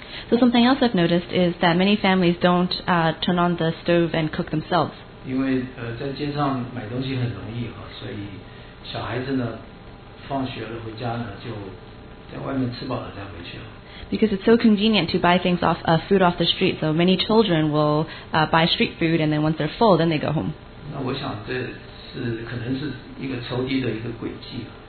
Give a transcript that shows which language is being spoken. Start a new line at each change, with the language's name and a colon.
English: So something else I've noticed is that many families don't turn on the stove and cook themselves.
Chinese: 因为在街上买东西很容易哈，所以小孩子呢放学了回家呢就在外面吃饱了再回去了。
English: Because it's so convenient to buy things off food off the street, so many children will buy street food and then once they're full, then they go home.
Chinese: 那我想这是可能是一个仇敌的一个诡计。